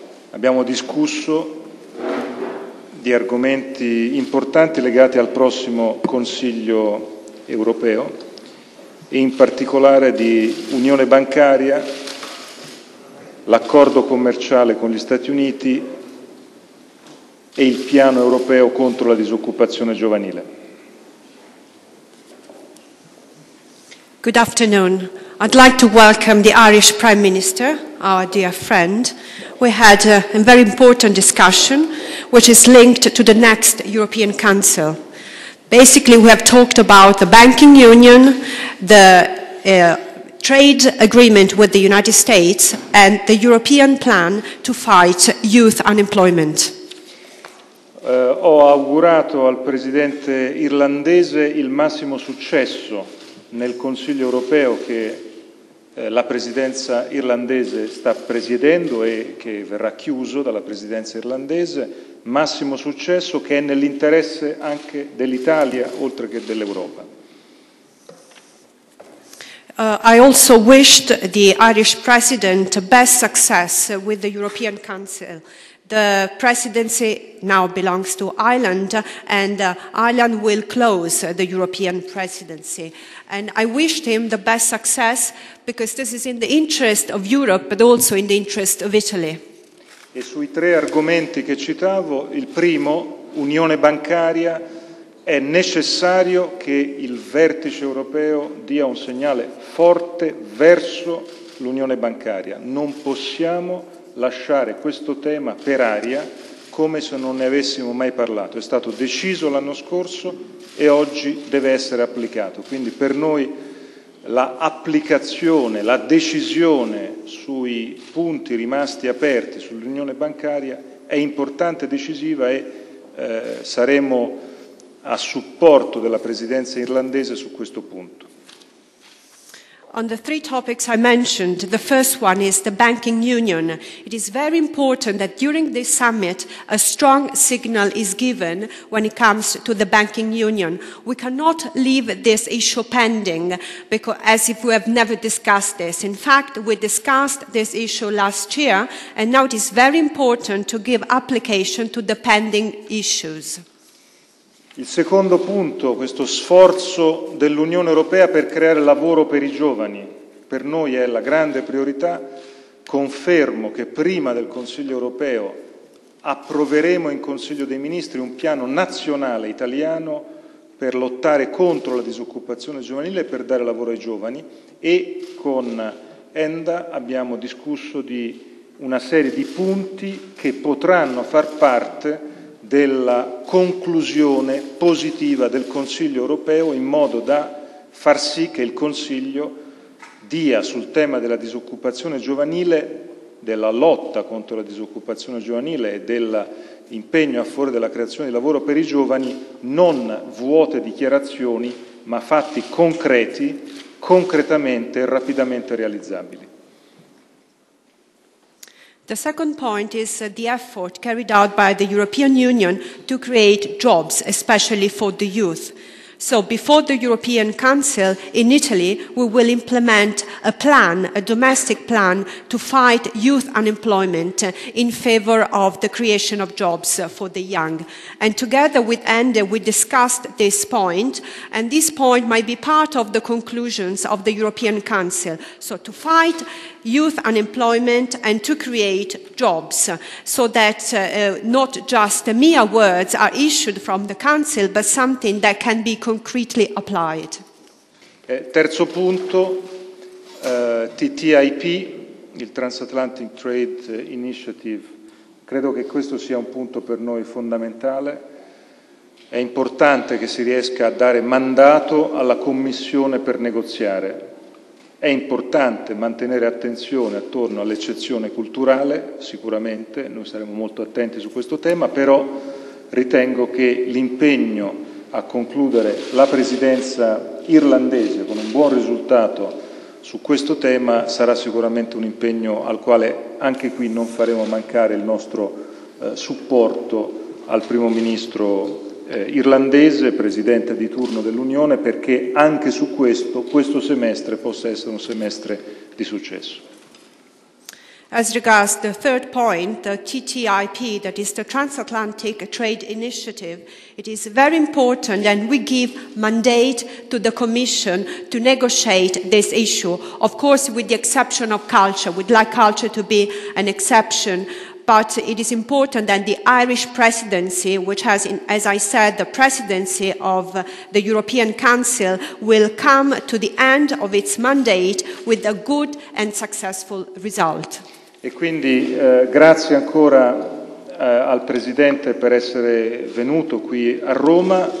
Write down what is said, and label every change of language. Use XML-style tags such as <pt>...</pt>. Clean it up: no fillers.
<it>Abbiamo discusso di argomenti importanti legati al prossimo Consiglio europeo e in particolare di unione bancaria, l'accordo commerciale con gli Stati Uniti e il piano europeo contro la disoccupazione giovanile.</it> <en>Good afternoon. I'd like to welcome the Irish Prime Minister, our dear friend. We had a very important discussion which is linked to the next European Council. Basically, we have talked about the banking union, the trade agreement with the United States and the European plan to fight youth unemployment.</en> <it>Ho augurato al presidente irlandese il massimo successo nel Consiglio europeo che la presidenza irlandese sta presiedendo e che verrà chiuso dalla presidenza irlandese, massimo successo che è nell'interesse anche dell'Italia oltre che dell'Europa.</it> <en>I also wished the Irish president best success with the European Council. The presidency now belongs to Ireland, and Ireland will close the European presidency. And I wished him the best success, because this is in the interest of Europe, but also in the interest of Italy.</en> <it>E sui tre argomenti che citavo, il primo, unione bancaria, è necessario che il vertice europeo dia un segnale forte verso l'unione bancaria. Non possiamo lasciare questo tema per aria come se non ne avessimo mai parlato. È stato deciso l'anno scorso e oggi deve essere applicato. Quindi per noi l'applicazione, la decisione sui punti rimasti aperti sull'unione bancaria è importante, decisiva e saremo a supporto della presidenza irlandese su questo punto.</it> <en>On the three topics I mentioned, the first one is the banking union. It is very important that during this summit a strong signal is given when it comes to the banking union. We cannot leave this issue pending because, as if we have never discussed this. In fact, we discussed this issue last year, and now it is very important to give application to the pending issues.</en> <it>Il secondo punto, questo sforzo dell'Unione Europea per creare lavoro per i giovani, per noi è la grande priorità. Confermo che prima del Consiglio Europeo approveremo in Consiglio dei Ministri un piano nazionale italiano per lottare contro la disoccupazione giovanile e per dare lavoro ai giovani e con Enda abbiamo discusso di una serie di punti che potranno far parte della conclusione positiva del Consiglio europeo in modo da far sì che il Consiglio dia sul tema della disoccupazione giovanile, della lotta contro la disoccupazione giovanile e dell'impegno a favore della creazione di lavoro per i giovani non vuote dichiarazioni ma fatti concreti, concretamente e rapidamente realizzabili.</it> <en>The second point is the effort carried out by the European Union to create jobs, especially for the youth. So before the European Council in Italy, we will implement a plan, a domestic plan, to fight youth unemployment in favor of the creation of jobs for the young. And together with Enda, we discussed this point, and this point might be part of the conclusions of the European Council. So to fight youth unemployment and to create jobs, so that not just mere words are issued from the Council, but something that can be concretely applied.</en> <it>Terzo punto, TTIP, il Transatlantic Trade Initiative, credo che questo sia un punto per noi fondamentale. È importante che si riesca a dare mandato alla Commissione per negoziare. È importante mantenere attenzione attorno all'eccezione culturale, sicuramente, noi saremo molto attenti su questo tema, però ritengo che l'impegno a concludere la presidenza irlandese con un buon risultato su questo tema sarà sicuramente un impegno al quale anche qui non faremo mancare il nostro supporto al primo ministro irlandese, presidente di turno dell'Unione, perché anche su questo, questo semestre possa essere un semestre di successo.</it> <en>As regards the third point, the TTIP, that is the Transatlantic Trade Initiative, it is very important and we give mandate to the Commission to negotiate this issue. Of course, with the exception of culture, we'd like culture to be an exception, but it is important that the Irish presidency, which has, as I said, the presidency of the European Council, will come to the end of its mandate with a good and successful result.</en> <it>E quindi grazie ancora al Presidente per essere venuto qui a Roma.</it>